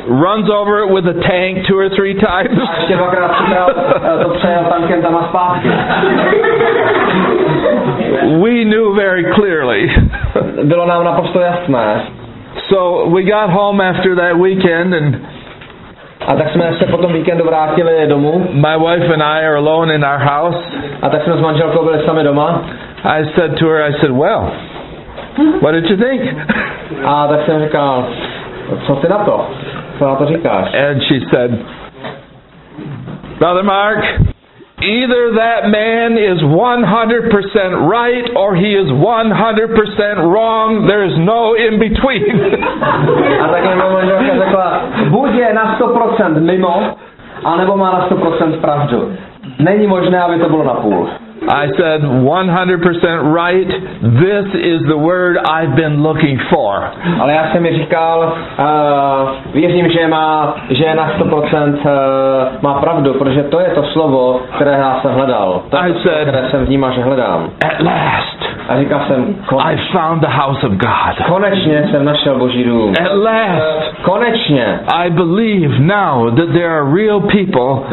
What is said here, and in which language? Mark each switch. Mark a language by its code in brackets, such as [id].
[en] Runs over it with a tank two or three times. [cs] A ještě dvakrát přikrát to přejel tankem tam a zpátky. [en] We knew very clearly. [cs] Bylo nám naprosto jasné. [en] So we got home after that weekend and [cs] a tak jsme se potom víkendu vrátili domů. [en] My wife and I are alone in our house. [cs] A tak jsme s manželkou byli sami doma. [en] I said to her, I said, well, what did you think? [cs] A tak jsem říkal, co ty na to? Co na to říkáš? [en] And she said, Brother Mark, either that man is 100% right or he is 100% wrong. There is no in between. [cs] A tak mi manželka řekla, buď je na 100% mimo, anebo má na 100% pravdu. Není možné, aby to bylo na půl. [en] I said 100% right. This is the word I've been looking for. [cs] Ale já jsem mi říkal, věřím, že je na 100% má pravdu, protože to je to slovo, které já jsem hledal. Které jsem vnímal, že hledám. [en] At last. [cs] A říkal jsem, [en] I found the house of God. [cs] Konečně jsem našel Boží dům. [en] At last. [cs] Konečně. [en] I believe now that there are real people